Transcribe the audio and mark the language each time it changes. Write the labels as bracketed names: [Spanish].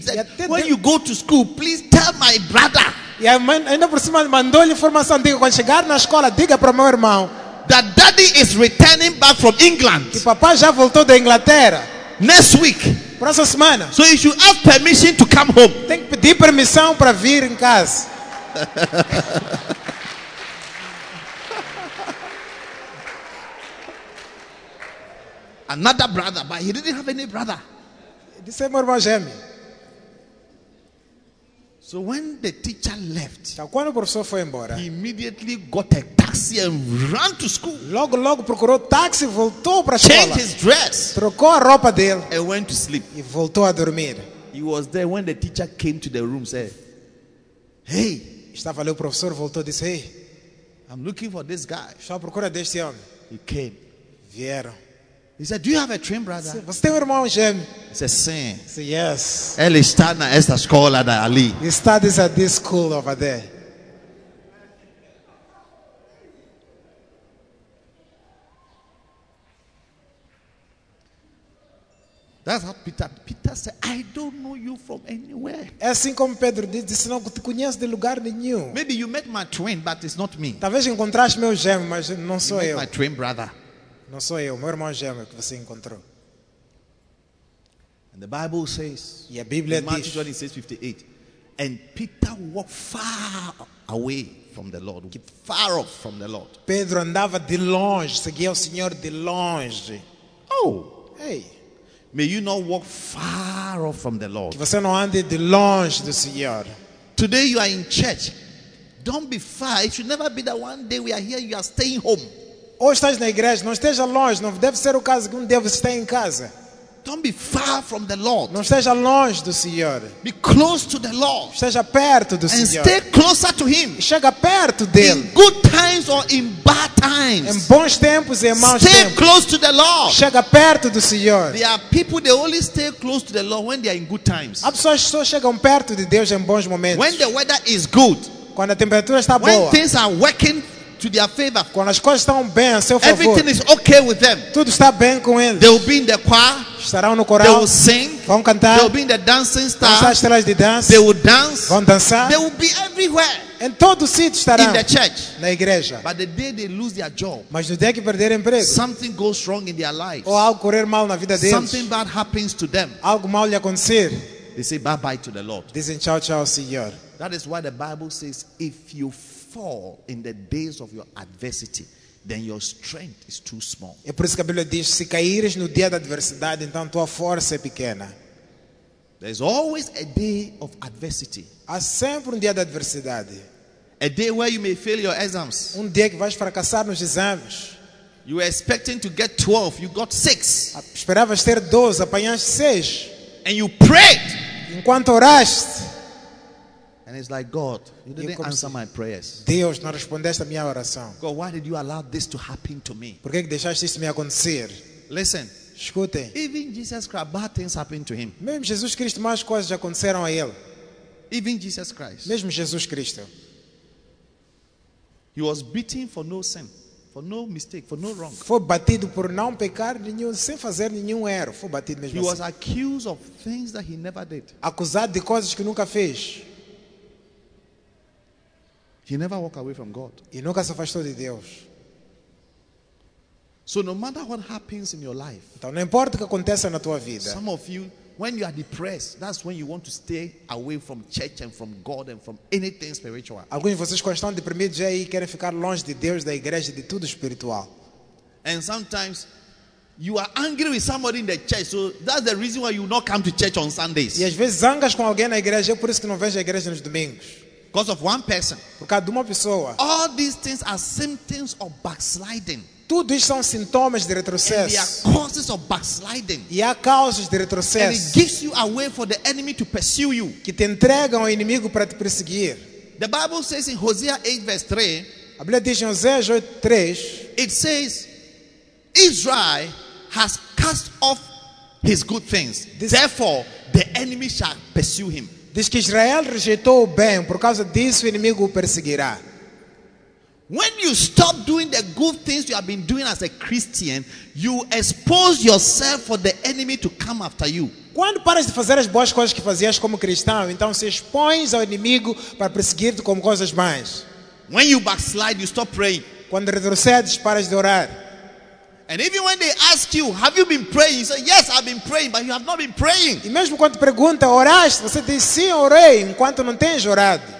[English] Said, when you go to school, please tell my brother. [Portuguese] E ainda por cima mandou-lhe informação. Diga, quando chegar na escola, diga para o meu irmão. [English] That daddy is returning back from England. [Portuguese] Que papai já voltou da Inglaterra. [English] Next week. [Portuguese] Próxima semana. [English] So you should have permission to come home. [Portuguese] Tem que pedir permissão para vir em casa. [English] Another brother, but he didn't have any brother. [Portuguese] Disse meu irmão gêmeo. [English] So when the teacher left, [Portuguese] então, quando o professor foi embora, [English] he immediately got a taxi and ran to school. [Portuguese] Logo procurou táxi e voltou para a escola. [English] Changed his dress. [Portuguese] Trocou a roupa dele. [English] And went to sleep. [Portuguese] E voltou a dormir. [English] He was there when the teacher came to the room, said, hey. [Portuguese] Estava ali o professor, voltou e disse, hey. [English] I'm looking for this guy. [Portuguese] Estou à procura deste homem. [English] He came. [Portuguese] Vieram. [English] He said, do you have a twin brother? [Portuguese] Você tem um irmão gêmeo? [English] He said, [Portuguese] sim. [English] He said, yes. [Portuguese] Ele está na esta escola da ali. He studies at this school over there. [English] That's how Peter said, I don't know you from anywhere. [Portuguese] É assim como Pedro disse, não te conheço de lugar nenhum. [English] Maybe you met my twin, but it's not me. [Portuguese] Talvez encontraste meu gêmeo, mas não sou [English] you [Portuguese] eu. [English] My twin brother. [Portuguese] Não sou eu, meu irmão gêmeo que você encontrou. [English] And the Bible says, [Portuguese] e a Bíblia [English] in Matthew 26:58, and Peter walked far away from the Lord, keep far off from the Lord. [Portuguese] Pedro andava de longe, seguia o Senhor de longe. Oh, hey, [English] may you not walk far off from the Lord. [Portuguese] Que você não ande de longe do Senhor. [English] Today you are in church. Don't be far. It should never be that one day we are here, you are staying home. [Portuguese] Ou estás na igreja, não esteja longe, não deve ser o caso que um dia você esteja em casa. [English] Don't be far from the Lord. [Portuguese] Não esteja longe do Senhor. [English] Be close to the Lord. [Portuguese] Esteja perto do [English] and [Portuguese] Senhor. [English] Stay closer to him. [Portuguese] Chega perto dele. [English] In good times or in bad times. [Portuguese] Em bons tempos e em maus [English] stay [Portuguese] tempos. [English] Stay close to the Lord. [Portuguese] Chega perto do Senhor. [English] There are people they only stay close to the Lord when they are in good times. [Portuguese] As pessoas só chegam perto de Deus em bons momentos. [English] When the weather is good. [Portuguese] Quando a temperatura está boa. [English] When things are working to their favor. [Portuguese] Quando as coisas estão bem a seu favor. [English] Everything is okay with them. [Portuguese] Tudo está bem com eles. [English] They will be in the choir. [Portuguese] Estarão no coral. [English] They will sing. [Portuguese] Vão cantar. [English] They will be in the dancing star. [Portuguese] Vão estar as estrelas de dança. [English] They will dance. [Portuguese] Vão dançar. [English] They will be everywhere. [Portuguese] Em todo sítio estarão. [English] In the church. [Portuguese] Na igreja. [English] But the day they lose their job. [Portuguese] Mas no dia que perderem emprego. [English] Something goes wrong in their lives. [Portuguese] Ou algo correr mal na vida deles. [English] Something bad happens to them. [Portuguese] Algo mal lhe acontecer. [English] They say bye bye to the Lord. [Portuguese] Dizem tchau tchau, Senhor. [English] That is why the Bible says, if you fall in the days of your adversity, then your strength is too small. [Portuguese] É por isso que a Bíblia diz, se caíres no dia da adversidade, então tua força é pequena. [English] There's always a day of adversity. [Portuguese] Há sempre dia da adversidade. [English] A day where you may fail your exams. [Portuguese] Dia que vais fracassar nos exames. [English] You were expecting to get 12, you got 6. [Portuguese] Esperavas ter 12, apanhaste 6. [English] And you prayed. [Portuguese] Enquanto oraste. [English] And it's like, God, you didn't answer my prayers. [Portuguese] Deus, não respondeste a minha oração. [English] God, why did you allow this to happen to me? [Portuguese] Por que que deixaste isso me acontecer? [English] Listen. [Portuguese] Escutem. [English] Even Jesus Christ, bad things happened to him. [Portuguese] Mesmo Jesus Cristo, más coisas já aconteceram a ele. [English] Even Jesus Christ. [Portuguese] Mesmo Jesus Cristo. [English] He was beaten for no sin, for no mistake, for no wrong. [Portuguese] Foi batido por não pecar nenhum, sem fazer nenhum erro. Foi batido mesmo. [English] He [Portuguese] assim. [English] Was accused of things that he never did. [Portuguese] Acusado de coisas que nunca fez. [English] He never walked away from God. [Portuguese] E nunca se afastou de Deus. [English] So no matter what happens in your life. [Portuguese] Então não importa o que aconteça na tua vida. [English] Some of you, when you are depressed, that's when you want to stay away from church and from God and from anything spiritual. [Portuguese] Alguns de vocês quando estão deprimidos já querem ficar longe de Deus, da igreja, de tudo espiritual. [English] And sometimes you are angry with somebody in the church, so that's the reason why you not come to church on Sundays. [Portuguese] E às vezes zangas com alguém na igreja, é por isso que não vens à igreja nos domingos. [English] Because of one person. [Portuguese] Por causa de uma pessoa. [English] All these things are symptoms of backsliding. [Portuguese] Tudo isso são sintomas de retrocesso. [English] And there are causes of backsliding. [Portuguese] E há causas de retrocesso. [English] And it gives you a way for the enemy to pursue you. [Portuguese] Que te entregam ao inimigo para te perseguir. [English] The Bible says in Hosea 8 verse 3. [Portuguese] A Bíblia diz em Hosea 8 3. [English] It says, Israel has cast off his good things. Therefore, the enemy shall pursue him. [Portuguese] Diz que Israel rejeitou o bem, por causa disso o inimigo o perseguirá. [English] When you stop doing the good things you have been doing as a Christian, you expose yourself for the enemy to come after you. [Portuguese] Quando paras de fazer as boas coisas que fazias como cristão, então se expões ao inimigo para perseguir-te como coisas mais. [English] When you backslide, you stop praying. [Portuguese] Quando retrocedes, paras de orar. [English] And even when they ask you, have you been praying? You say, yes, I've been praying, but you have not been praying. [Portuguese] E mesmo quando pergunta, oraste? Você diz, sim, orei, enquanto não tens orado.